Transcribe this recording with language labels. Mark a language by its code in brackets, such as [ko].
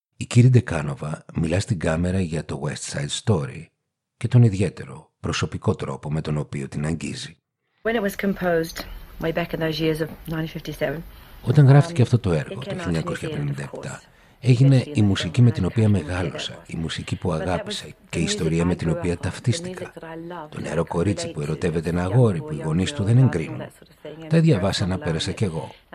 [el] Κύριε Ντεκάνοβα μιλά στην κάμερα για το West Side Story και τον ιδιαίτερο προσωπικό τρόπο με τον οποίο την αγγίζει. [en] When it was composed, way back in those years of 1957, [el] όταν γράφτηκε αυτό το έργο το 1957, έγινε η μουσική με την οποία μεγάλωσα, η μουσική που αγάπησα και η ιστορία με την οποία ταυτίστηκα. Το νεαρό κορίτσι που ερωτεύεται ένα αγόρι που οι γονείς του δεν εγκρίνουν. Τα ίδια βάσανα πέρασα κι εγώ.